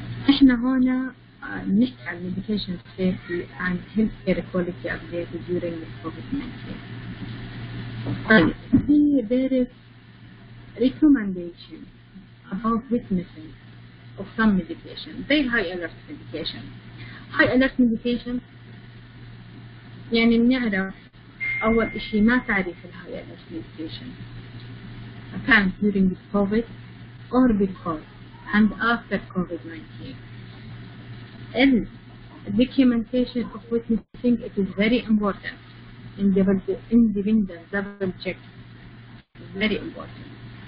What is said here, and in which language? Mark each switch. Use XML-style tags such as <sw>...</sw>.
<ar>احنا هنا نحكي عن</ar> <en>medication safety and healthcare quality update during the COVID-19. There is recommendation about witnessing of some medication. They high alert medication. High alert medication</en> <ar>يعني بنعرف اول اشي ما تعرف ال</ar> <en>high alert medication.</en> <ar>كان</ar> <en>during the COVID or before and after COVID-19. And documentation of witnessing, it is very important. Independent double check is very important.</en>